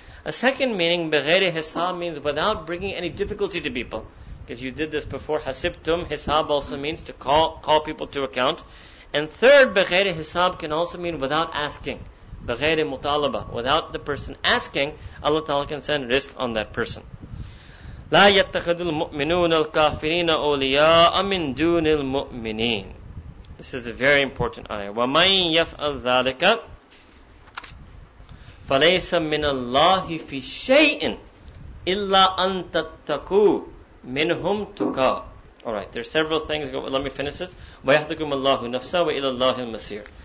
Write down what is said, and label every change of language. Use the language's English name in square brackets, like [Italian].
[English] A second meaning, bighayri hisab, means without bringing any difficulty to people. Because you did this before, hasibtum, hisab also means to call people to account. And third, بغير حساب can also mean without asking. [Arabic] بغير مطالبة. [English] Without the person asking, Allah Ta'ala can send risk on that person. [Arabic] لا يتخذ المؤمنون الكافرين أولياء من دون المؤمنين. [English] This is a very important ayah. [Arabic] وَمَنْ يَفْعَلْ ذَلِكَ فَلَيْسَ مِنَ اللَّهِ فِي شَيْءٍ إِلَّا أَن تَتَّقُوا مِنْهُمْ تُقَى. [English] Alright, there are several things. Let me finish this. [Arabic] وَيَحْذَكُمَ اللَّهُ نَفْسَ وَإِلَى اللَّهِ الْمَسِيرِ.